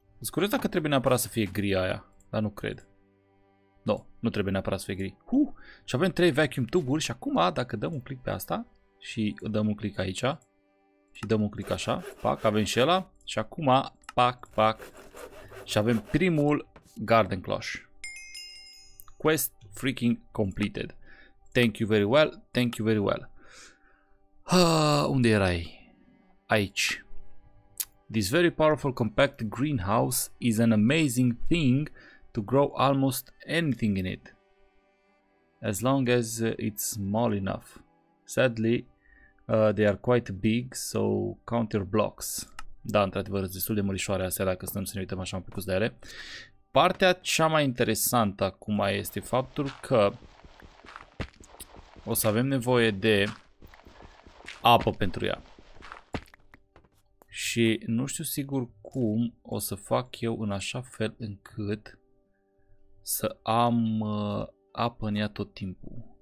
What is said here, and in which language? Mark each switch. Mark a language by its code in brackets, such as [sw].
[ro] Îți curioz dacă trebuie neapărat să fie gri aia, dar nu cred. Nu, nu trebuie neapărat să fie gri. Și avem 3 vacuum tuburi și acum dacă dăm un click pe asta și dăm un click aici și dăm un click așa, pac, avem și ăla și acum, pac, pac, și avem primul garden cloche. [en] Quest freaking completed. Thank you very well, thank you very well. [ro] Unde erai? Aici. [en] This very powerful compact greenhouse is an amazing thing to grow almost anything in it, as long as it's small enough. Sadly, they are quite big, so count your blocks. [ro] Da, într-adevăr, sunt destul de mărișoare astea dacă stăm să ne uităm așa un pic de ele. Partea cea mai interesantă acum este faptul că o să avem nevoie de apă pentru ea. Și nu știu sigur cum o să fac eu în așa fel încât să am apă în ea tot timpul.